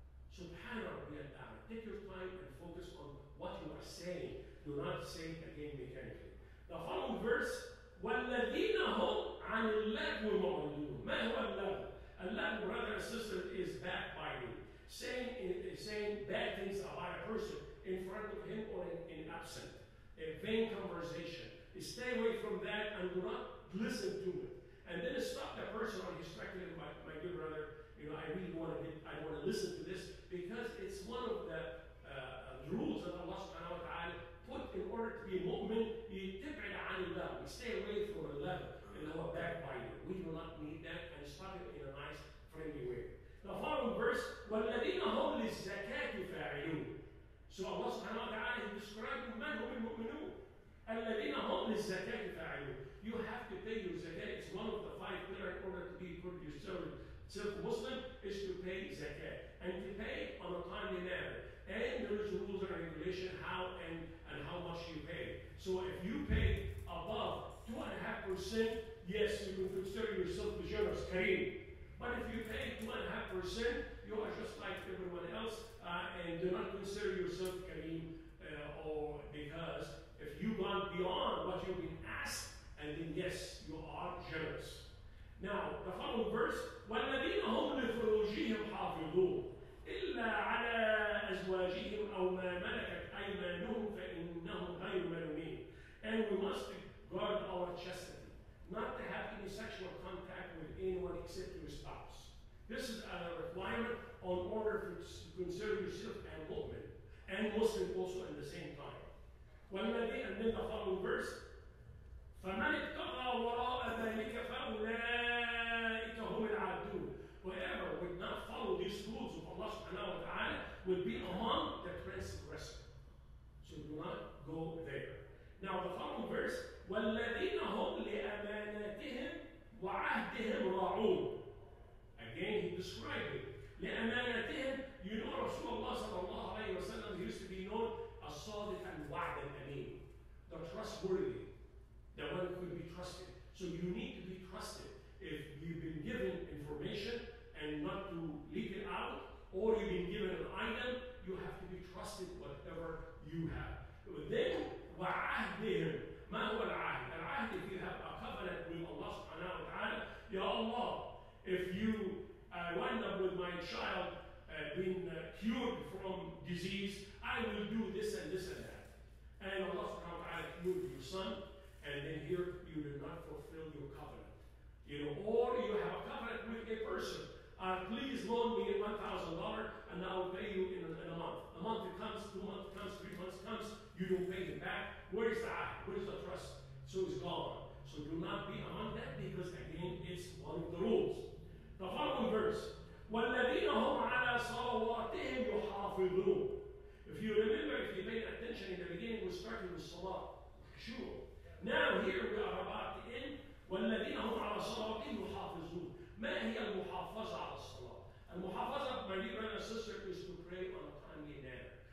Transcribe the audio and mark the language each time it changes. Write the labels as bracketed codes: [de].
[en] Subhanahu wa ta'ala. Take your time and focus on what you are saying. Do not say it again mechanically. The following verse, [ar] وَالَّذِينَ هُمْ عَنِ اللَّغْوِ مَعْلُونَ مَا هُوَ اللَّغْوِ. [en] Allah, brother and sister, is backbiting, saying bad things about a person in front of him or in absent, a vain conversation. Stay away from that and do not listen to it. And then stop the person on his track, my good brother, you know, I want to listen to this because it's one of the rules that Allah subhanahu wa ta'ala put in order to be a mu'min. [ar] يتبعد عن الله. [en] We stay away from the level and our backbiting. We do not need that, and stop it in a nice, friendly way. The following verse, [ar] وَالَّذِينَ هُمْ لِلزَّكَاةِ فَاعِلُونَ. [en] So Allah subhanahu wa ta'ala is describing [ar] مَنْ هُمْ الْمُؤْمِنُونَ. الَّذِينَ هُمْ لِلزَّكَاةِ فَاعِلُونَ. [en] You have to pay your zakat. It's one of the five pillars in order to be Muslim, is to pay zakat. And to pay on a timely manner. And there is rules and regulation how and how much you pay. So if you pay above 2.5%, yes, you can consider yourself the generous kareem. But if you pay 2.5%, you are just like everyone else, and do not consider yourself kareem, or because if you gone beyond what you've been asked, and then yes, you are generous. Now, the following verse, [ar] وَالَّذِينَ هُمْ لِفُرُوجِهِمْ حَافِظُونَ إِلَّا عَلَى أَزْوَاجِهِمْ أَوْ مَا مَلَكَتْ أَيْمَانُهُمْ فَإِنَّهُمْ غَيْرُ مَلُومِينَ. [en] And we must guard our chastity, not to have any sexual contact with anyone except your spouse. This is a requirement on order to consider yourself and mu'min, and Muslim also at the same time. [ar] وَالَّذِينَ [en] And then the following verse, [ar] فَمَنْ اِتَّقَى وَرَاءَ ذَلِكَ فَأُولَٰئِكَ هُمُ الْعَادُونَ. [en] Whoever would not follow these rules of Allah subhanahu wa ta'ala would be among the transgressors. So do not go there. Now the following verse, [ar] وَالَّذِينَ هُمْ لِأَمَانَاتِهِمْ وَعَهْدِهِمْ رَاعُونَ. [en] Again, he described it. لِأَمَانَاتِهِمْ, you know Rasulullah sallallahu alayhi wa sallam used to be known as [ar] صَادِقَ الْوَعْدِ الْأَمِينَ, [en] the trustworthy, that one could be trusted. So you need to be trusted. If you've been given information and not to leak it out, or you've been given an item, you have to be trusted whatever you have. [ar] Then, وَعَهْدِهِمْ مَا هُوَ الْعَهْدِ. [en] الْعَهْدِ, if you have a covenant with Allah subhanahu wa ta'ala, Ya Allah, if you wind up with my child being cured from disease, I will do this and this and that. And Allah subhanahu wa ta'ala cured your son, and then here you did not fulfill your covenant. You know, or you have a covenant with a person. Please loan me $1,000 and I'll pay you in a month. A month comes, 2 months comes, 3 months comes, you don't pay it back. Where is the ahd? Where is the trust? So it's gone. So do not be among that, because again, it's one of the rules. [ar] The following verse, وَالَّذِينَ هُمْ عَلَى صَلَوَاتِهِمْ يُحَافِظُونَ. [en] If you remember, if you paid attention in the beginning, we started with salah. Sure. Now here we are about to end. [ar] وَالَّذِينَ هُمْ عَلَى صَلَوَاتِهِمْ يُحَافِظُونَ. مَا هِيَ الْمُحَافَظَةَ عَلَى الصَّلَاةِ. [en] المُحَافَظَةَ, my dear brother and sister, is to pray on a timely manner.